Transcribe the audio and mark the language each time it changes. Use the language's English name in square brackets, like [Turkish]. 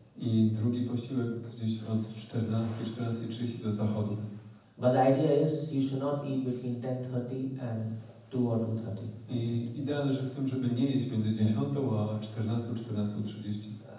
[Polish] I drugi posiłek gdzieś od 14:30 do zachodu. [English] But the idea is you should not eat between 10:30 and 2 or 2:30. [Polish] I idea leży w tym, żeby nie jeść między 10 a 14:30.